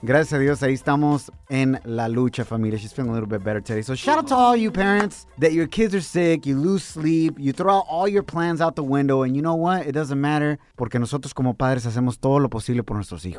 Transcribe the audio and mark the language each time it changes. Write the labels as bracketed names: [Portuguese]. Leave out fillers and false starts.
[Spanish] Gracias a Dios, ahí estamos en la lucha, familia. [English] She's feeling a little bit better today. So shout out to all you parents that your kids are sick, you lose sleep, you throw all your plans out the window, and you know what? It doesn't matter [Spanish] porque nosotros como padres hacemos todo lo posible por nuestros hijos.